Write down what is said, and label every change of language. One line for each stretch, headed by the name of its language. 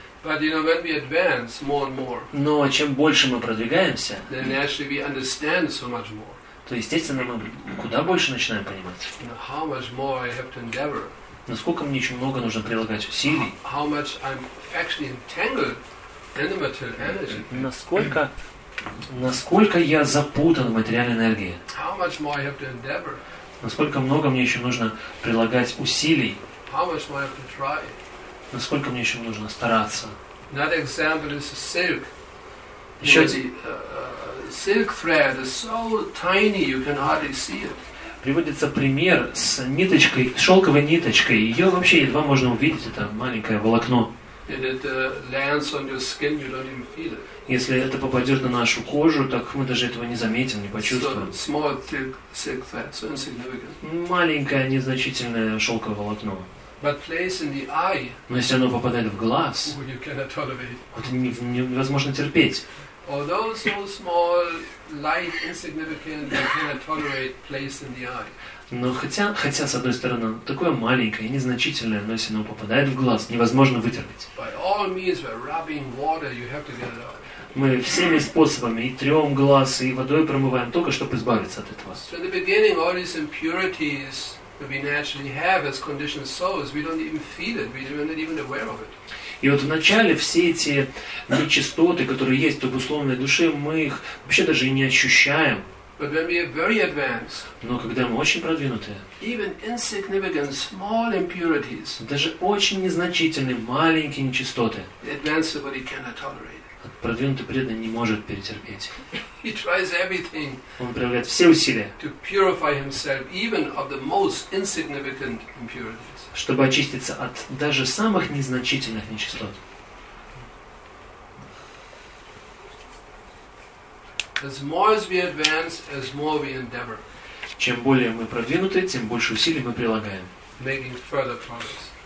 English: But, you know, when we advance more and more,
Russian: но чем больше мы продвигаемся,
English: then actually we understand so much more.
Russian: То естественно мы куда больше начинаем понимать.
English: You know, how much more I have to endeavor.
Russian: Насколько мне еще много нужно прилагать усилий.
English: How much I'm actually entangled in the material energy.
Russian: Насколько я запутан в материальной энергии.
English: How much more I have to endeavor.
Russian: Насколько много мне еще нужно прилагать усилий.
English: How much more I have to try.
Russian: Насколько мне еще нужно стараться?
English: Another example is silk.
Russian: Еще один.
English: Silk thread is so tiny you can hardly see it.
Russian: Приводится пример с ниточкой, шелковой ниточкой. Ее вообще едва можно увидеть, это маленькое волокно.
English: And it lands on your skin, you don't even feel it.
Russian: Если это попадет на нашу кожу, так мы даже этого не заметим, не почувствуем.
English: So small silk thread, so insignificant.
Russian: Маленькое незначительное шелковое волокно.
English: But place in the eye.
Russian: Но если оно попадает в глаз,
English: you cannot tolerate.
Russian: Вот невозможно терпеть.
English: Although so small, light, insignificant, you cannot tolerate place in the eye.
Russian: Но хотя с одной стороны такое маленькое, незначительное, но если оно попадает в глаз, невозможно вытерпеть.
English: By all means, by rubbing water, you have to get it out.
Russian: Мы всеми способами, и трем глаз, и водой промываем только, чтобы избавиться от этого.
English: So in the beginning, all these impurities. We naturally have as conditioned souls. We don't even feel it. We're not even aware of it.
Russian: И вот вначале все эти нечистоты, которые есть в условной душе, мы их вообще даже и не ощущаем.
English: But when we are very advanced.
Russian: Но когда мы очень продвинутые.
English: Even insignificant, small impurities.
Russian: Даже очень незначительные маленькие нечистоты.
English: Advanced somebody cannot tolerate.
Russian: Продвинутый преданный не может перетерпеть.
English: He tries everything.
Russian: Он проявляет все усилия.
English: To purify himself even of the most insignificant impurities.
Russian: Чтобы очиститься от даже самых незначительных нечистот.
English: As more as we advance, as more we endeavor.
Russian: Чем более мы продвинуты, тем больше усилий мы прилагаем.
English: Making further progress.